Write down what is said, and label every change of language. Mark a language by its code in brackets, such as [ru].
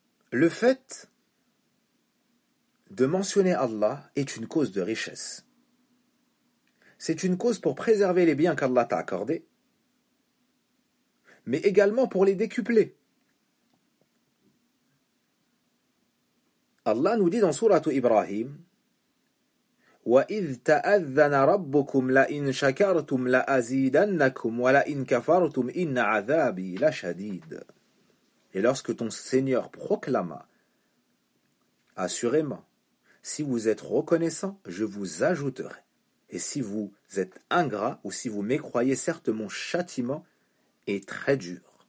[fr] Le fait de mentionner Allah est une cause de richesse. C'est une cause pour préserver les biens qu'Allah t'a accordés, mais également pour les décupler. Allah nous dit dans Sourate Ibrahim, [ar] وَإِذْ تَأَذَّنَ رَبُّكُمْ لَإِنْ شَكَرْتُمْ لَأَزِيدَنَّكُمْ وَلَإِنْ كَفَرْتُمْ إِنَّ عَذَابِي لَشَدِيدٌ. [fr] Et lorsque ton Seigneur proclama, assurément, si vous êtes reconnaissant, je vous ajouterai. Et si vous êtes ingrat ou si vous mécroyez, certes mon châtiment est très dur.